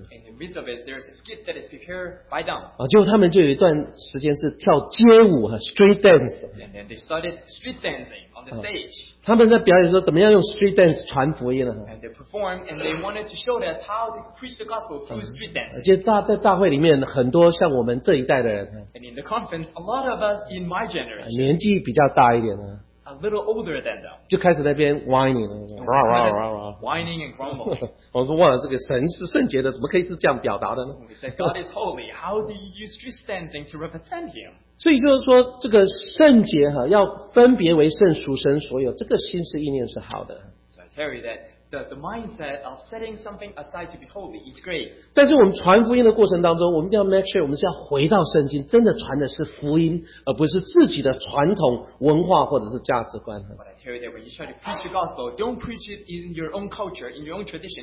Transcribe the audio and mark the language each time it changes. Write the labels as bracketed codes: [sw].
[en] In the midst of it, there's a skit that is prepared by them. [zh] 结果他们就有一段时间是跳街舞和street dance。 [en] And then they started street dancing on the stage. [zh] 他们在表演说怎么样用street dance传福音呢? [en] And they performed and they wanted to show us how to preach the gospel through street dancing. [zh] 而且在大会里面很多像我们这一代的人。 [en] And in the conference, a lot of us in my generation. [zh] 年纪比较大一点呢。 [en] A little older than them. [zh] 就开始在那边 whining, [en] whining and grumbling. [zh] 我说哇，这个神是圣洁的，怎么可以是这样表达的呢？ [en] We said God is holy. How do you use street dancing to represent Him? [zh] 所以就是说，这个圣洁哈，要分别为圣，属神所有，这个心思意念是好的。 [en] So I tell you that the mindset of setting something aside to be holy is great. [zh] 但是我们传福音的过程当中，我们一定要 [en] make sure [zh] 我们是要回到圣经，真的传的是福音，而不是自己的传统文化或者是价值观。But [en] I tell you that when you try to preach the gospel, don't preach it in your own culture, in your own tradition,